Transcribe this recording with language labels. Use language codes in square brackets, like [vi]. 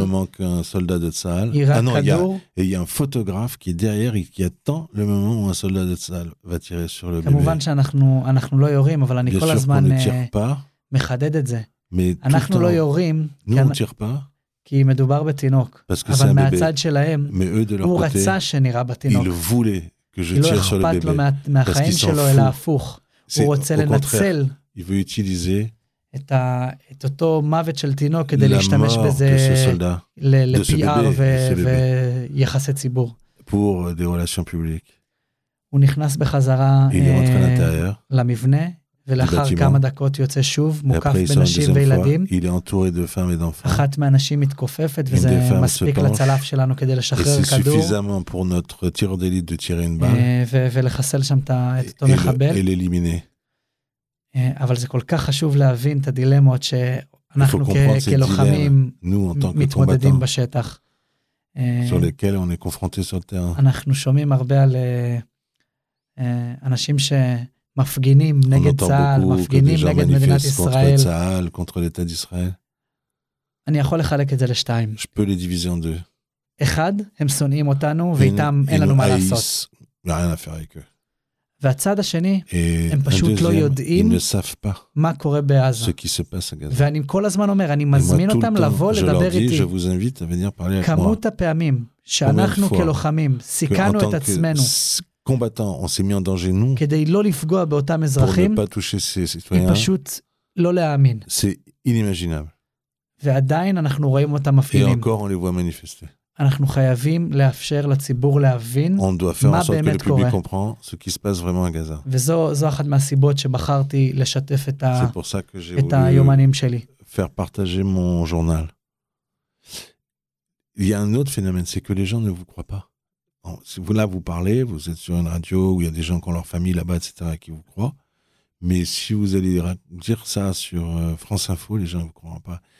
[fr] le moment qu'un soldat de צהל ira ah non, כדור et il y a un photographe qui est derrière et qui attend le moment où un soldat de צהל va tirer sur le bébé. [he] כמובן שאנחנו לא יורים, אבל אני כל הזמן מחדד את זה. אנחנו לא יורים, כי מדובר בתינוק, אבל מהצד שלהם הוא רצה שנראה בתינוק. [fr] Il voulait que je tire sur le bébé. [he] לא אכפת לו מהחיים שלו, אלא הפוך. הוא רוצה לנצל [fr] il veut utiliser [he] את אותו מוות של תינוק כדי להשתמש בזה לפי-אר ויחסי ציבור. [fr] Pour des relations publiques. [he] הוא נכנס בחזרה למבנה, ולאחר כמה דקות יוצא שוב, מוקף בנשים וילדים. [fr] Il est entouré de femmes et d'enfants. [he] אחת מהנשים מתכופפת, וזה מספיק לצלף שלנו כדי לשחרר כדור. [fr] C'est suffisamment pour notre tireur d'élite de tirer une balle. [he] ולחסל שם את אותו מחבל. [fr] Et l'éliminer. [he] אבל זה כל כך חשוב להבין את הדילמות שאנחנו כלוחמים מתמודדים בשטח. [fr] Sur lesquels on est confrontés sur terrain. [he] אנחנו שומעים הרבה על אנשים ש מפגינים נגד צהל, מפגינים נגד מדינת ישראל. [fr] Contre צהל, contre l'état d'Israël. [he] אני יכול לחלק את זה לשתיים. [fr] Je peux les diviser en deux. [he] אחד, הם שונאים אותנו, ואיתם אין לנו מה לעשות. [fr] Rien à faire avec eux. [he] והצד השני, הם פשוט לא יודעים מה קורה בעזה. [fr] Ce qui se passe à Gaza. [he] ואני כל הזמן אומר, אני מזמין אותם לבוא לדבר איתי. [fr] Je vous invite à venir parler avec moi. [he] כמות הפעמים שאנחנו כלוחמים סיכנו את עצמנו. [fr] Combattants, on s'est mis en danger nous. [he] כדי לא לפגוע באותם אזרחים. [fr] Pour ne pas toucher ces citoyens. [he] פשוט לא להאמין. [fr] C'est inimaginable. [he] ועדיין אנחנו רואים אותם מפעילים. [fr] Et encore on les voit manifester. [he] אנחנו חייבים לאפשר לציבור להבין מה באמת קורה. [fr] On doit faire en sorte que le public comprend ce qui se passe vraiment à Gaza. [he] וזו אחת מהסיבות שבחרתי לשתף את [fr] C'est pour ça que j'ai voulu faire partager mon journal. Il y a un autre phénomène, c'est que les gens ne vous croient pas. Si vous là vous parlez, vous êtes sur une radio où il y a des gens qui ont leur famille là-bas, etc., qui vous croient. Mais si vous allez dire ça sur France Info, les gens ne vous croiront pas.